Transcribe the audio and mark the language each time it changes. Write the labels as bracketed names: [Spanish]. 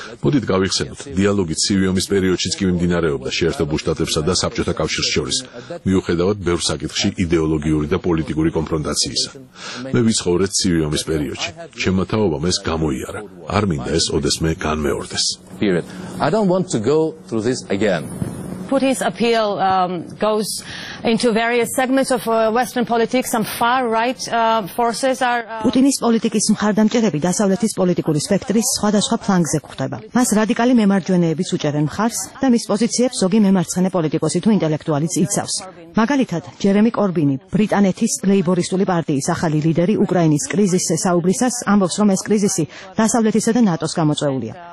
[Georgian] მოდით გავიხსენოთ, დიალოგი ცივი ომის პერიოდშიც კი მიმდინარეობდა შეერთებულ შტატებსა და საბჭოთა კავშირს შორის, მიუხედავად ბევრ საკითხში იდეოლოგიური და პოლიტიკური კონფრონტაციისა. მე ვიცხოვრე ცივი ომის პერიოდში. ჩემმა თაობამ ეს გამოიარა. არ მინდა ეს ოდესმე განმეორდეს. [English] I don't want to go through this again. Putin's appeal goes into various segments of western politics. Some far right forces are [Georgian] Putin's პოლიტიკის მხარდამჭერები დასავლეთის პოლიტიკური სპექტრის სხვადასხვა ფლანგზე გვხვდება. მას რადიკალი მემარჯვენეების უჭერენ მხარს და მის პოზიციებს ზოგი მემარცხენე პოლიტიკოსი თუ ინტელექტუალიც იცავს. მაგალითად, ჯერემი კორბინი, ბრიტანეთის ლეიბორისტული პარტიის ახალი ლიდერი უკრაინის კრიზისზე საუბრისას ამბობს, რომ ეს კრიზისი დასავლეთისა და ნატოს გამოწვეულია.